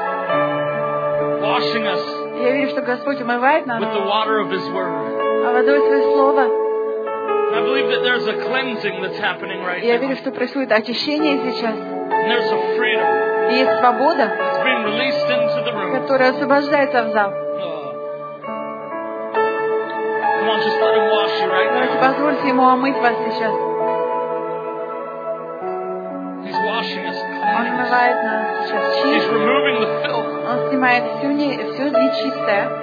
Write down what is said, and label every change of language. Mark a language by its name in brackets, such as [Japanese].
[Russian] Я верю, что Господь умывает нас водой Своего Слова. [English] I believe that there's a cleansing that's happening right now. [Russian] Я верю, что происходит очищение сейчас. [English] And there's a freedom. [Russian] И есть свобода, [English] it's been released into the room. [Russian] Которая освобождается в зал. [English] Come on, just let him wash you right now. [Russian] Давайте позвольте ему омыть вас сейчас. [English] He's washing us. [Russian] Он умывает нас сейчас. [English] He's removing the filth. [Russian] Он снимает все нечистое.